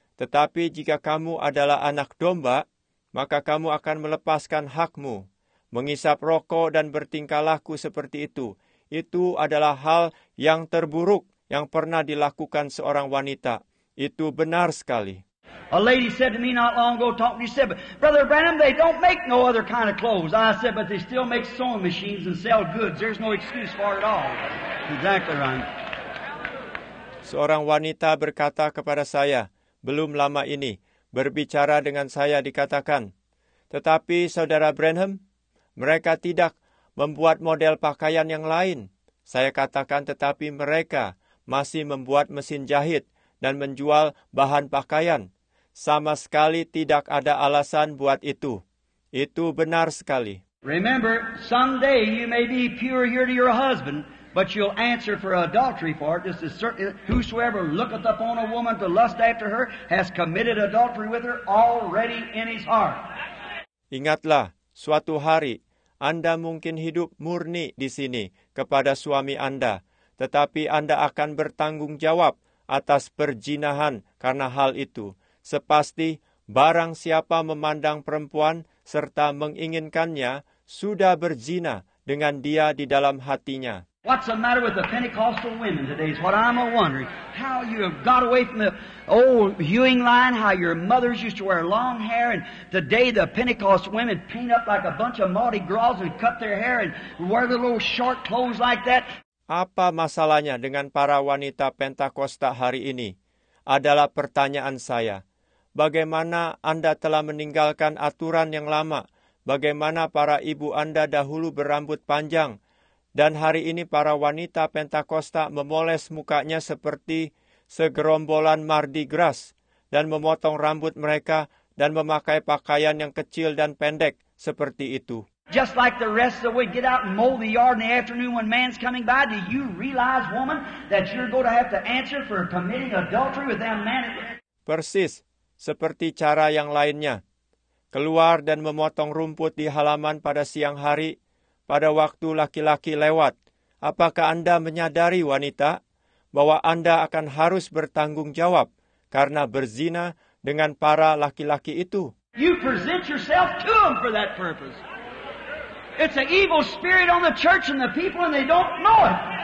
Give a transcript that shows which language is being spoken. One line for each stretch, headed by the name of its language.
Indonesian: Tetapi jika kamu adalah anak domba, maka kamu akan melepaskan hakmu. Mengisap rokok dan bertingkah laku seperti itu adalah hal yang terburuk yang pernah dilakukan seorang wanita. Itu benar sekali.
English: A lady said to me not long ago, talking to you, said, but Brother Branham, they don't make no other kind of clothes. I said, but they still make sewing machines and sell goods. There's no excuse for it all. Exactly right.
Indonesian: Seorang wanita berkata kepada saya, belum lama ini, berbicara dengan saya dikatakan, tetapi Saudara Branham, mereka tidak membuat model pakaian yang lain. Saya katakan, tetapi mereka masih membuat mesin jahit dan menjual bahan pakaian. Sama sekali tidak ada alasan buat itu. Itu benar sekali.
English: Remember, someday you may be pure here to your husband, but you'll answer for adultery for it. This is certain, whosoever looketh upon a woman to lust after her has committed adultery with her already in his heart.
Indonesian: Ingatlah, suatu hari Anda mungkin hidup murni di sini kepada suami Anda, tetapi Anda akan bertanggung jawab atas perzinahan karena hal itu. Sepasti barang siapa memandang perempuan serta menginginkannya sudah berzina dengan dia di dalam hatinya.
English: What's the matter with the Pentecostal women today is what I'm wondering. How you have got away from the old hewing line, how your mothers used to wear long hair, and today the Pentecost women paint up like a bunch of Mardi Gras and cut their hair and wear the little short clothes like that.
Indonesian: Apa masalahnya dengan para wanita Pentakosta hari ini? Adalah pertanyaan saya. Bagaimana Anda telah meninggalkan aturan yang lama? Bagaimana para ibu Anda dahulu berambut panjang? Dan hari ini para wanita Pentakosta memoles mukanya seperti segerombolan Mardi Gras dan memotong rambut mereka dan memakai pakaian yang kecil dan pendek seperti itu.
English: Just like the rest of the week, get out and mow the yard in the afternoon when man's coming by. Do you realize, woman, that you're going to have to answer for committing adultery with that man?
Indonesian: Persis, seperti cara yang lainnya. Keluar dan memotong rumput di halaman pada siang hari, pada waktu laki-laki lewat. Apakah Anda menyadari, wanita, bahwa Anda akan harus bertanggung jawab karena berzina dengan para laki-laki itu?
English: You present yourself to them for that purpose. It's an evil spirit on the church and the people, and they don't know it.